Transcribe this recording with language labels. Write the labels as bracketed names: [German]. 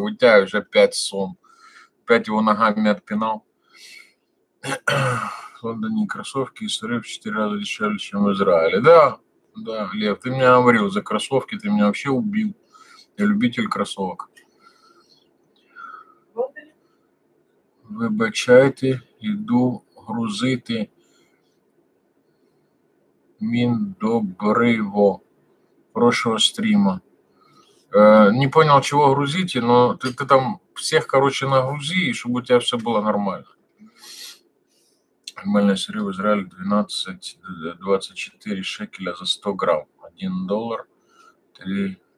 [Russian] Вытягиваешь опять сом. Опять его ногами отпинал. В Лондоне кроссовки и сыры в 4 раза дешевле, чем в Израиле. Да. Да, Лев, ты меня говорил за кроссовки, ты меня вообще убил. Я любитель кроссовок. [Ukrainian] Вибачайте, йду грузити міндобриво. Хорошого стрима. [Russian] Не понял, чего грузите, но ты там всех, короче, нагрузи, чтобы у тебя все было нормально. Нормальная сыры в Израиле 12-24 шекеля за 100 грамм. $1, 3-4.